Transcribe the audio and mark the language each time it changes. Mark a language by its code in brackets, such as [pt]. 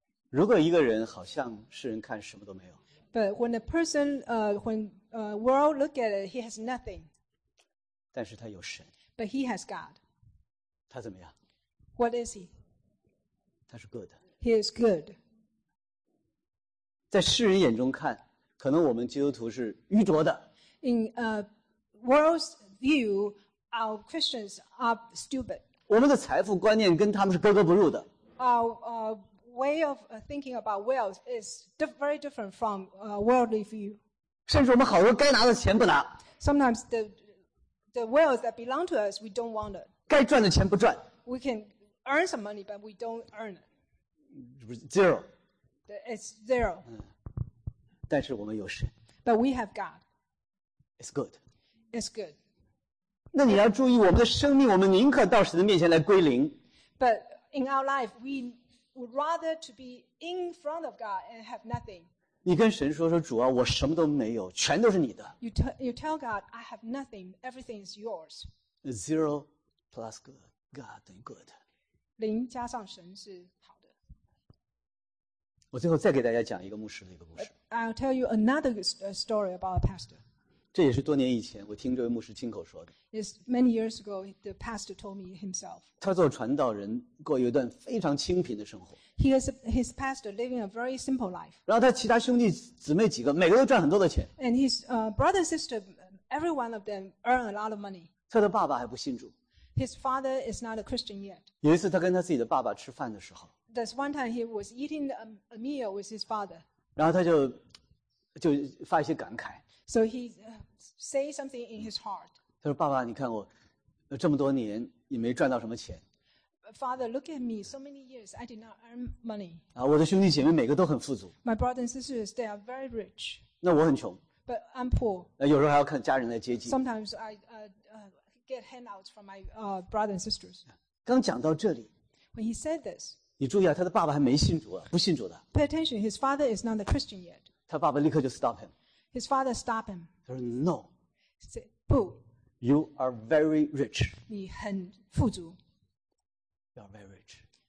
[zh] 如果一个人好像世人看什么都没有。 [en] But when a person, when a world look at it, he has nothing. [zh] 但是他有神。 [en] But he has God. [zh] 他怎么样？ [en] What is he? [zh] 他是 [en] good. He is good. [zh] 在世人眼中看，可能我们基督徒是愚拙的。 [en] In a world's view, our Christians are stupid. [zh] 我们的财富观念跟他们是格格不入的。 [en] Way of thinking about wealth is very different from a worldly view. [zh] 甚至我们好多该拿的钱不拿。 [en] Sometimes the wealth that belong to us, we don't want it. [zh] 该赚的钱不赚。 [en] We can earn some money, but we don't earn it. Zero. It's zero. [zh] 但是我们有神。 [en] But we have God. It's good. It's good. [zh] 那你要注意，我们的生命，我们宁可到神的面前来归零。 [en] But in our life, we would rather to be in front of God and have nothing. [zh] 你跟神说说，主啊，我什么都没有，全都是你的。 [en] You tell God, I have nothing. Everything is yours. Zero plus God [zh] 等于 [en] good. [zh] 零加上神是好的。我最后再给大家讲一个牧师的一个故事。 [en] I'll tell you another story about a pastor. [zh] 这也是多年以前我听这位牧师亲口说的。 [en] It's many years ago the pastor told me himself. [zh] 他做传道人过一段非常清贫的生活。 [en] His pastor living a very simple life. [zh] 然后他其他兄弟姊妹几个每个都赚很多的钱。 [en] And his brother and sister, every one of them earn a lot of money. [zh] 他的爸爸还不信主。 [en] His father is not a Christian yet. [zh] 有一次他跟他自己的爸爸吃饭的时候。 [en] There's one time he was eating a meal with his father. [zh] 然后他就发一些感慨。 [en] So he say something in his heart. [zh] 他说：“爸爸，你看我这么多年也没赚到什么钱。 [en] ”Father, look at me. So many years, I did not earn money. [zh] 啊，我的兄弟姐妹每个都很富足。 [en] My brothers and sisters, they are very rich. [zh] 那我很穷。 [en] But I'm poor. [zh] 有时候还要看家人来接济。 [en] Sometimes I get handouts from my brothers and sisters. [zh] 刚讲到这里。 [en] When he said this. [zh] 你注意啊，他的爸爸还没信主啊，不信主的。 [en] Pay attention. His father is not a Christian yet. [zh] 他爸爸立刻就 [en] stop him. His father stopped him. He said, "No." He said, "Boo." You are very rich. [zh] 你很富足。 [en] You are very rich.